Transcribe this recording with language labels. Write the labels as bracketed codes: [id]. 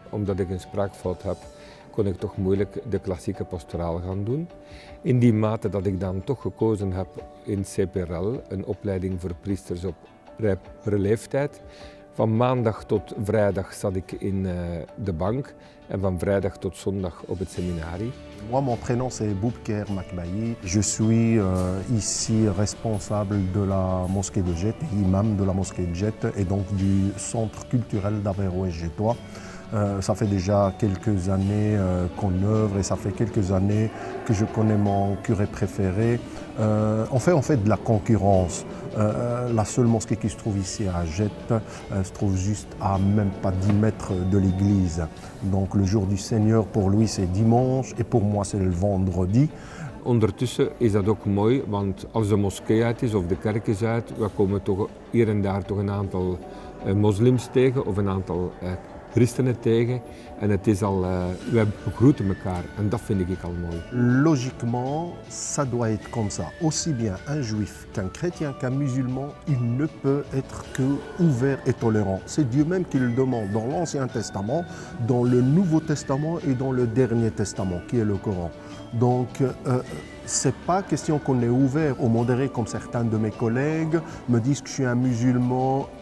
[nl] Omdat ik een spraakfout heb, kon ik toch moeilijk de klassieke pastoraal gaan doen. In die mate dat ik dan toch gekozen heb in CPRL, een opleiding voor priesters op rijpere leeftijd. Van maandag tot vrijdag zat ik in de bank en van vrijdag tot zondag op het seminarie. [fr] Moi, mon prénom c'est Boubker Makbayi. Je suis ici responsable de la mosquée de Jette, imam de la mosquée de Jette et donc du centre culturel d'Averroès-Jettois. Ça fait déjà quelques années qu'on œuvre et ça fait quelques années que je connais mon curé préféré. On fait de la concurrence. La seule mosquée qui se trouve ici à Jette se trouve juste à même pas 10 mètres de l'église. Donc le jour du Seigneur pour lui c'est dimanche et pour moi c'est le vendredi. [nl] Ondertussen is dat ook mooi, want als de moskee uit is of de kerk is uit, we komen toch hier en daar toch een aantal moslims tegen of een aantal christenen tegen en het is al, we begroeten elkaar en dat vind ik al mooi. [fr] Logiquement, ça doit être comme ça. Aussi bien un juif qu'un chrétien qu'un musulman, il ne peut être que ouvert et tolérant. C'est Dieu même qui le demande dans l'Ancien Testament, dans le Nouveau Testament et dans le Dernier Testament, qui est le Coran. Donc, c'est pas question qu'on est ouvert ou modéré comme certains de mes collègues me disent que je suis un musulman.